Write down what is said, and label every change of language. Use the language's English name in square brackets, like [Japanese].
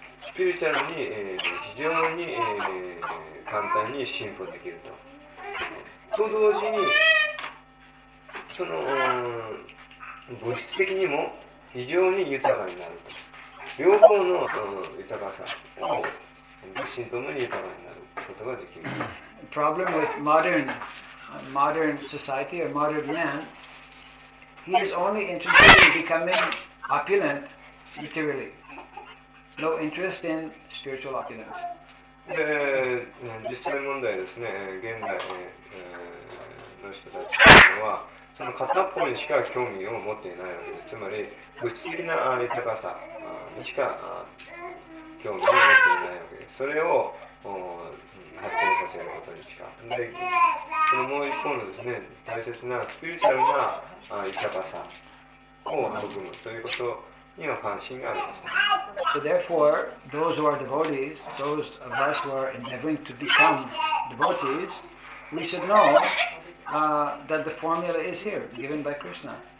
[Japanese] スピリチュアルに非常に簡単に進歩できると、と同時にその物質的にも非常に豊かになると、両方の豊かさを物心ともに豊かになる。 [English] The problem with modern, modern society or modern man, he is only interested in becoming opulent materially. No interest in spiritual opulence. [Japanese] 実際問題ですね、現代の人たちは、その片方にしか興味を持っていないわけです。つまり、物質的な豊かさにしか興味を持っていないわけです。それを発展させることにしか、で、そのもう一方のですね、大切なスピリチュアルな豊かさを含むということには関心があるんです。 [English] So therefore, those who are devotees, those of us who are endeavoring to become devotees, we should know, that the formula is here, given by Krishna.